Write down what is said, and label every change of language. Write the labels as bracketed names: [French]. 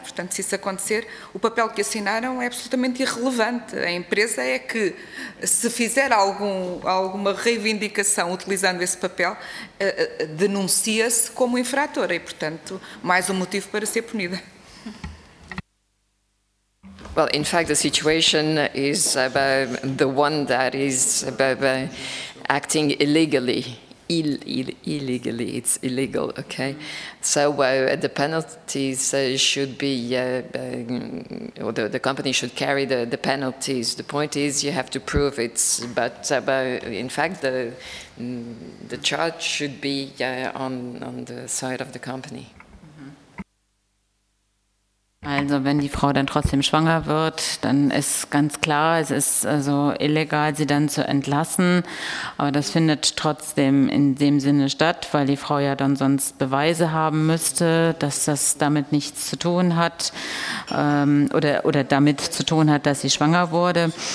[Portuguese] Portanto, se isso acontecer, o papel que assinaram é absolutamente irrelevante. A empresa é que, se fizer alguma reivindicação utilizando esse papel, denuncia-se como infratora e, portanto, mais um motivo para ser punida. [English] Well, in fact, the situation is the one that is acting illegally, illegally, it's illegal, okay? So the penalties should be, or the company should carry the penalties. The point is you have to prove it, but in fact the charge should be on the side of the company. [German] Also wenn die Frau dann trotzdem schwanger wird, dann ist ganz klar, es ist also illegal, sie dann zu entlassen. Aber das findet trotzdem in dem Sinne statt, weil die Frau ja dann sonst Beweise haben müsste, dass das damit nichts zu tun hat oder damit zu tun hat, dass sie schwanger wurde.